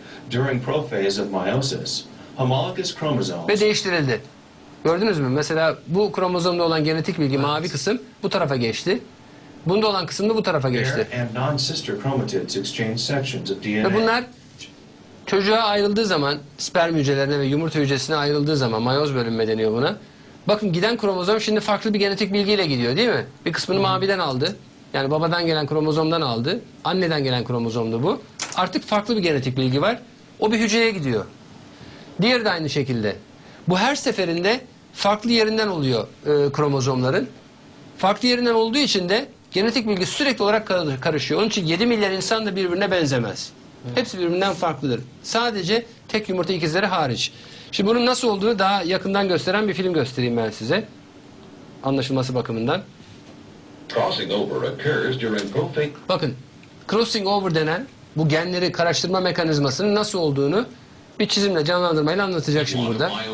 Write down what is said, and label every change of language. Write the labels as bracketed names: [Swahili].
[English] During prophase of meiosis, homologous chromosomes [Turkish] ve değiştirildi. Gördünüz mü? Mesela bu kromozomda olan genetik bilgi, evet, mavi kısım bu tarafa geçti. Bunda olan kısım da bu tarafa geçti. [English] And non-sister chromatids exchange sections of DNA. [Turkish] Ve bunlar çocuğa ayrıldığı zaman, sperm hücrelerine ve yumurta hücresine ayrıldığı zaman, meiyoz bölünme deniyor buna. Bakın, giden kromozom şimdi farklı bir genetik bilgiyle gidiyor, değil mi? Bir kısmını maviden aldı. Yani babadan gelen kromozomdan aldı. Anneden gelen kromozomdu bu. Artık farklı bir genetik bilgi var. O bir hücreye gidiyor. Diğeri de aynı şekilde. Bu her seferinde farklı yerinden oluyor kromozomların. Farklı yerinden olduğu için de genetik bilgi sürekli olarak karışıyor. Onun için 7 milyar insan da birbirine benzemez. Evet. Hepsi birbirinden farklıdır. Sadece tek yumurta ikizleri hariç. Şimdi bunun nasıl olduğunu daha yakından gösteren bir film göstereyim ben size. Anlaşılması bakımından. [English] Crossing over occurs during prophase. [Turkish] Bakın, crossing over denen bu genleri karıştırma mekanizmasının nasıl olduğunu bir çizimle, canlandırmayla anlatacak şimdi burada.